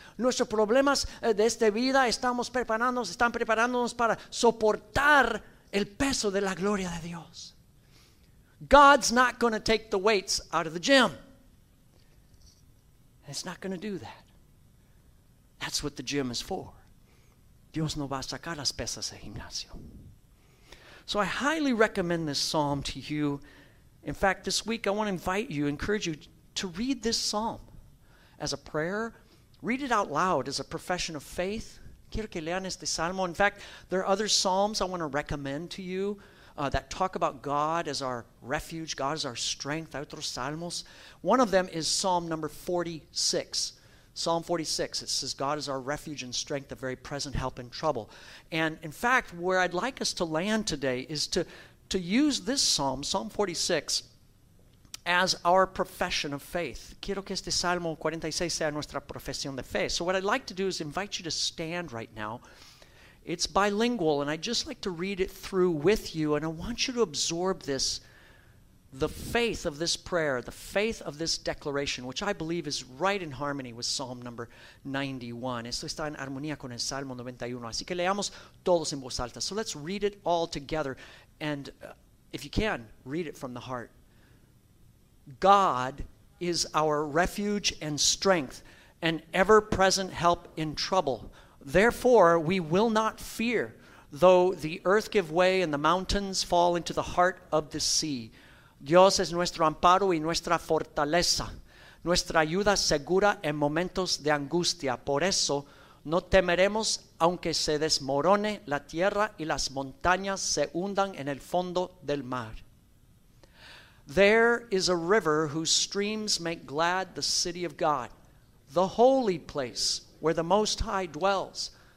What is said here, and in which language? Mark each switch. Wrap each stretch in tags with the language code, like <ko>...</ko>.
<es>Nuestros problemas de esta vida estamos preparándonos, están preparándonos para soportar el peso de la gloria de Dios.</es> <en>God's not going to take the weights out of the gym. It's not going to do that. That's what the gym is for.</en> <es>Dios no va a sacar las pesas del gimnasio.</es> <en>So I highly recommend this psalm to you. In fact, this week I want to invite you, encourage you, to read this psalm as a prayer. Read it out loud as a profession of faith.</en> <es>Quiero que lean este salmo.</es> <en>In fact, there are other psalms I want to recommend to you that talk about God as our refuge, God as our strength.</en> <es>Hay otros salmos.</es> <en>One of them is Psalm number 46. Psalm 46, it says, God is our refuge and strength, the very present help in trouble. And in fact, where I'd like us to land today is to use this psalm, Psalm 46, as our profession of faith.</en> <es>Quiero que este Salmo 46 sea nuestra profesión de fe.</es> <en>So what I'd like to do is invite you to stand right now. It's bilingual, and I'd just like to read it through with you, and I want you to absorb this, the faith of this prayer, the faith of this declaration, which I believe is right in harmony with Psalm number 91.</en> <es>Esto está en armonía con el Salmo 91. Así que leamos todos en voz alta.</es> <en>So let's read it all together, and if you can, read it from the heart. God is our refuge and strength, an ever-present help in trouble. Therefore, we will not fear, though the earth give way and the mountains fall into the heart of the sea.</en> <es>Dios es nuestro amparo y nuestra fortaleza, nuestra ayuda segura en momentos de angustia. Por eso, no temeremos, aunque se desmorone la tierra y las montañas se hundan en el fondo del mar.</es> <en>There is a river whose streams make glad the city of God, the holy place where the Most High dwells.</en>